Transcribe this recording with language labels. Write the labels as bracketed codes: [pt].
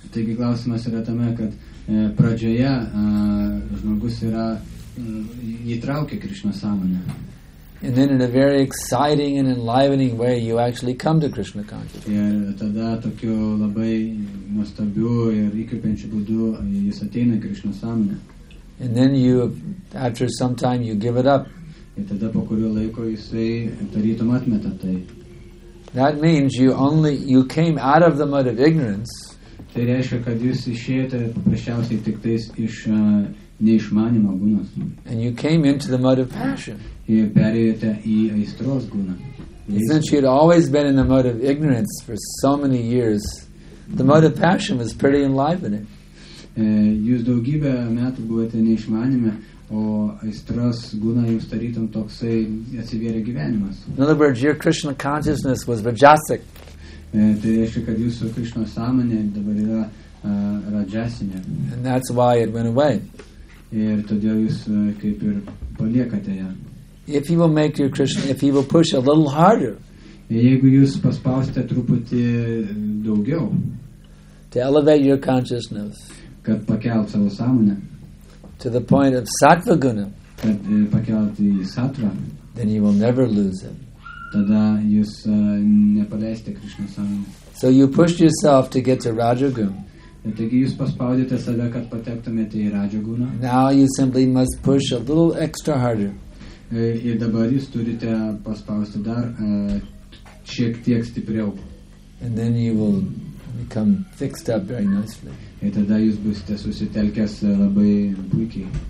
[lt] Taigi klausimas yra tame, kad pradžioje žmogus yra įtraukia Krishna sąmonę. [en] And then in a very exciting and enlivening way you actually come to Krishna consciousness. [lt] Ir tada tokiu labai nuostabiu ir įkvepiančiu būdu jis ateina Krishna sąmonę. [en] And then you, after some time, you give it up. [lt] Ir tada po kurio laiko jisai tarytum atmeta tai. [en] That means you came out of the mud of ignorance. [lt] Tai reiškia, kad jūs išėjote paprasčiausiai tik tais iš neišmanimo gunas. [en] And you came into the mud of passion. [lt] Ir perėjote į aistros guną. [en] Since you had always been in the mud of ignorance for so many years, the mode of passion was pretty enlivening. [lt] Jūs daugybę metų buvote neišmanime, o aistras būna jums tarytum toksai atsivėrė gyvenimas. [en] In other words, your Krishna consciousness was rajasic. [lt] Tai reiškia, kad jūsų Krishna sąmonė dabar yra rajasinė. [en] And that's why it went away. [lt] Ir todėl jūs kaip ir paliekate ją. [en] If you will make your Krishna, if you will push a little harder. [lt] Jeigu jūs paspausite truputį daugiau. [en] To elevate your consciousness. [lt] Kad pakelt savo sąmonę. [en] To the point of sattva guna. [lt] Kad pakelt į sattva. [en] Then you will never lose it. [lt] Tada jūs nepaleisite Krishna sąmonę. [en] So you push yourself to get to rajaguna. [lt] Taigi jūs paspaudėte save, kad patektumėte į rajaguna. [en] Now you simply must push a little extra harder. [lt] Ir dabar jūs turite paspausti dar šiek tiek stipriau. [en] And then you will become fixed up very nicely. [lt] Ir tada jūs būsite susitelkęs labai puikiai.